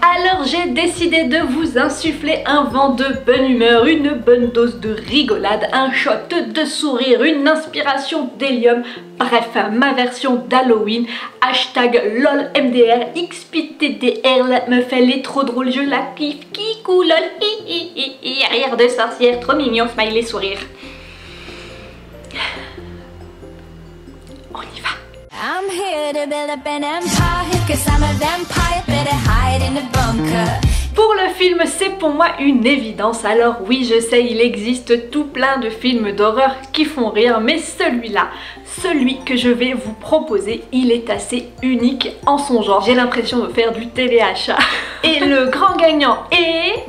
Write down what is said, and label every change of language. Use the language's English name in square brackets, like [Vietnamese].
[French] Alors j'ai décidé de vous insuffler un vent de bonne humeur, une bonne dose de rigolade, un shot de sourire, une inspiration d'hélium, bref, ma version d'Halloween, hashtag lolmdr, xptdr, me fait les trop drôles, je la kiffe, kikou, lol, hi, rire de sorcière, trop mignon, smiley, sourire. On y va. [English] I'm here to build up an empire, cause I'm a vampire, better hide in a bunker. [French] Pour le film, c'est pour moi une évidence, alors oui, je sais, il existe tout plein de films d'horreur qui font rire, mais celui-là, celui que je vais vous proposer, il est assez unique en son genre. J'ai l'impression de faire du téléachat. Et le grand gagnant est...